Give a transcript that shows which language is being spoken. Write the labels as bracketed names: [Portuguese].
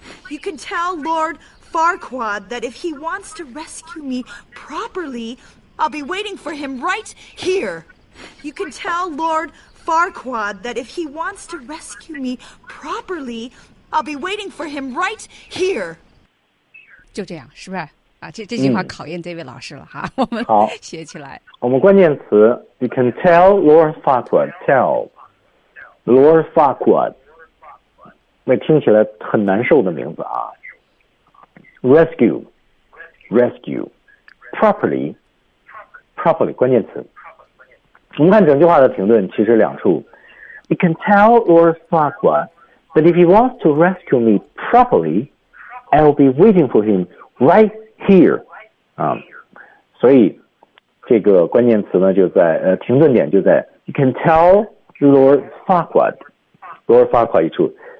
[English] You can tell Lord Farquaad that if he wants to rescue me properly, I'll be waiting for him right here. You can tell Lord Farquaad that if he wants to rescue me properly, I'll be waiting for him right here. [Chinese] 就这样，是不是？啊，这句话考验这位老师了哈。我们好写起来。我们关键词 [English] ，You can tell Lord Farquaad. Tell Lord Farquaad. 那听起来很难受的名字啊 ， rescue，properly，关键词。 [Chinese] 我们看整句话的停顿，其实两处。 [English] You can tell Lord Farquaad that if he wants to rescue me properly, I'll be waiting for him right here。 [Chinese] 啊，所以这个关键词呢，就在停顿点就在 You can tell Lord Farquaad，Lord Farquaad 一处。